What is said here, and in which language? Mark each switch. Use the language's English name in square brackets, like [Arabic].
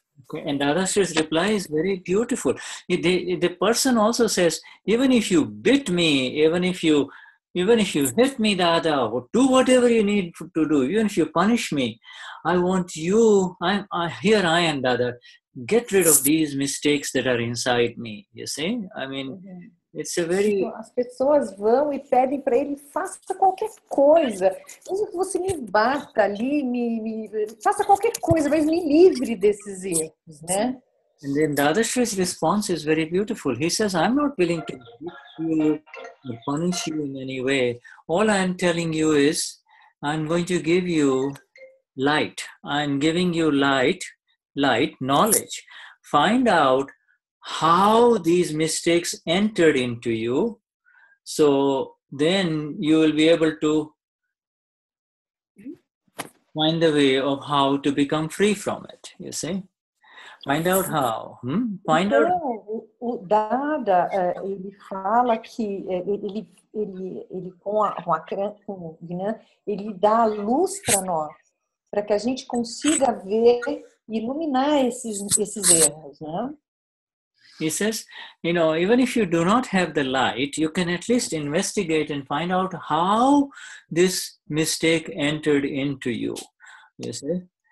[English] And Dadashri's reply is very beautiful. The person also says, even if you bit me, even if you Even if you hit me, Dada, or do whatever you need to do, even if you punish me, I want you, I am, Dada, get rid of these mistakes that are inside me. You see? I mean, it's a very... [Portuguese] As pessoas vão e pedem para ele, faça qualquer coisa. Mesmo que você me bata ali, me faça qualquer coisa, mas me livre desses erros, né? [English] And then Dadashri's response is very beautiful. He says, I'm not willing to beat you or punish you in any way. All I'm telling you is, I'm going to give you light. I'm giving you light, knowledge. Find out how these mistakes entered into you. So then you will be able to find the way of how to become free from it, you see? Find out how. Find out. [Portuguese] O Dada, ele fala que ele com o Gnan, ele dá luz para nós, para que a gente consiga ver e iluminar esses erros, né? [English] He says, you know, even if you do not have the light, you can at least investigate and find out how this mistake entered into you. You see?